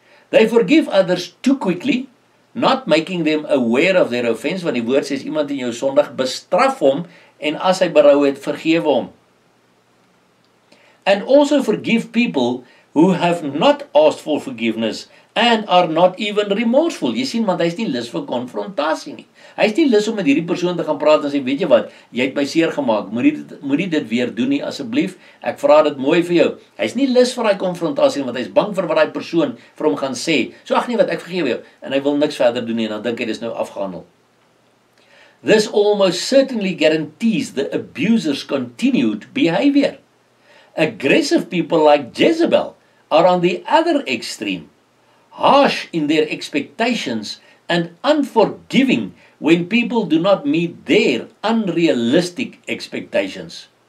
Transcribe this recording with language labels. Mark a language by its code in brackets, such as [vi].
[en] They forgive others too quickly, not making them aware of their offense, [af] want die woord sê, iemand in jou sondig bestraf hom, en as hy berou het, vergewe hom. [en] And also forgive people who have not asked for forgiveness and are not even remorseful. [af] Jy sien, want hy is nie lus vir konfrontasie nie. Hy is nie lus om met hierdie persoon te gaan praat en sê, weet jy wat, jy het my seer gemaak, moet nie dit weer doen nie, asseblief, ek vra dit mooi vir jou. Hy is nie lus vir hy konfrontasie, want hy is bang vir wat hy persoon vir hom gaan sê, so ach nie wat, ek vergewe jou, en hy wil niks verder doen nie, en dan dink hy, dit is nou afgehandel. [en] This almost certainly guarantees the abuser's continued behavior. Aggressive people like Jezebel are on the other extreme, harsh in their expectations and unforgiving when people do not meet their unrealistic expectations.